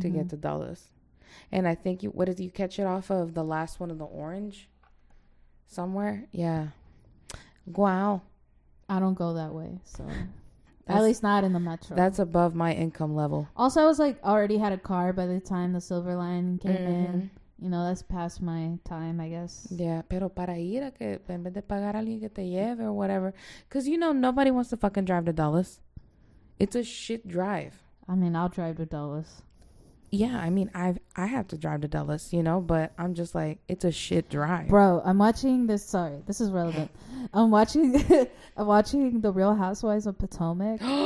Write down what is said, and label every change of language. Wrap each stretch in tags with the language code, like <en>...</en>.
<en>to get to Dulles, and I think you catch it off of the last one of the orange, somewhere. Yeah. Wow. I don't go that way, so at least not in the metro. That's above my income level. Also, I was like already had a car by the time the Silver Line came mm-hmm. in. You know, that's past my time, I guess.</en> <es>Yeah, pero para ir a que en vez de pagar a alguien que te lleve</es> <en>or whatever. Because, you know, nobody wants to fucking drive to Dulles. It's a shit drive. I mean, I'll drive to Dulles. Yeah, I mean, I have to drive to Dulles, you know, but I'm just like, it's a shit drive. Bro, I'm watching this. Sorry, this is relevant. I'm watching The Real Housewives of Potomac.</en>